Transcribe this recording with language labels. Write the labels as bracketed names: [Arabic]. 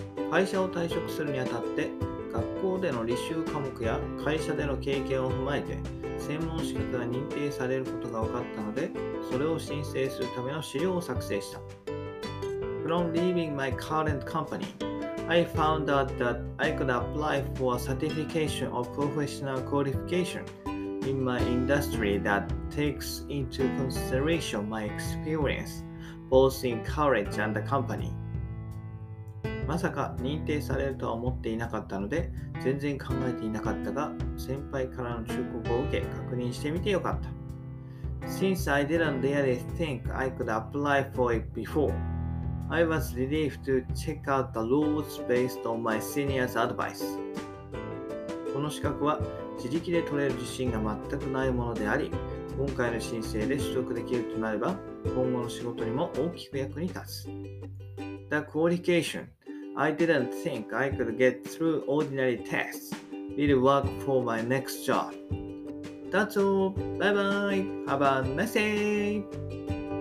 [Japanese] 会社を退職するにあたって、学校での履修科目や会社での経験を踏まえて、専門資格が認定されることが分かったので、それを申請するための資料を作成した。 [English] From leaving my current company,I found out that I could apply for a certification of professional qualification in my industry that takes into consideration my experience, both in college and the company. [Japanese] まさか認定されるとは思っていなかったので、全然考えていなかったが、先輩からの忠告を受け確認してみてよかった。 [English] Since I didn't really think I could apply for it before,I was relieved to check out the rules based on my senior's advice. [Japanese] この資格は自力で取れる自信が全くないものであり、今回の申請で取得できるとなれば、今後の仕事にも大きく役に立つ。 [English] The qualification, I didn't think I could get through ordinary tests, will work for my next job. That's all. Bye bye. Have a nice day.